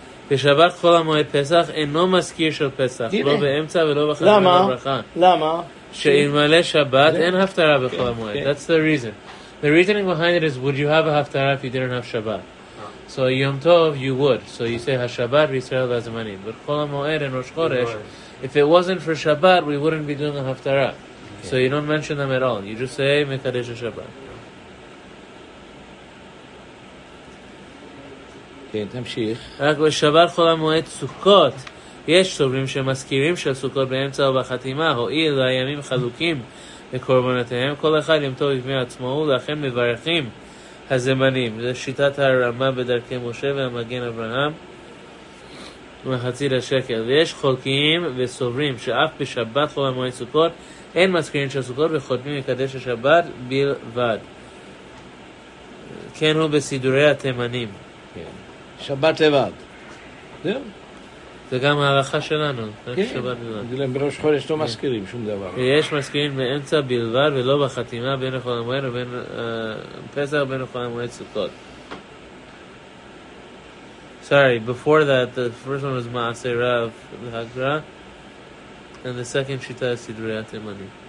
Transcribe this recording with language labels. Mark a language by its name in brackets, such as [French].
[Hebrew] בשבת חול המועד פסח אינו מזכיר של פסח, לא באמצע ולא בחג הברכה. למה? שאם מלא שבת, אין הפטרה בחול המועד. [English] That's the reason. The reasoning behind it is, would you have a הפטרה if you didn't have שבת? So יום טוב, you would. So you say, [Hebrew] השבת בישראל והזמנים. But חול המועד אין ראש חודש. [English] If it wasn't for שבת, we wouldn't be doing a הפטרה. So you don't mention them at all. You just say, [Hebrew] מקדש השבת. כן, תמשיך. רק בשבת חול המועד סוכות, יש סוברים שמזכירים של סוכות באמצע או בחתימה, הועיל לימים חלוקים לקורבנותיהם, כל אחד ימתו בפני עצמו, ולכן מברכים הזמנים. זה שיטת הרמה בדרכי משה והמגן אברהם. ומחצית השקל. ויש חולקים וסוברים שאף בשבת חול המועד סוכות, אין מזכירים של סוכות וחותמים לקדש השבת בלבד. כן הוא בסידורי התימנים. שבת לבד. זה גם ההלכה שלנו. כן, בראש חודש לא מזכירים שום דבר. יש מזכירים באמצע בלבד ולא בחתימה בין חול המועד ובין פסח בין חול המועד סוכות. [English] Sorry, before that, the first one was Ma'ase Rav Hagra, and the second Shita is Sidurei HaTemani.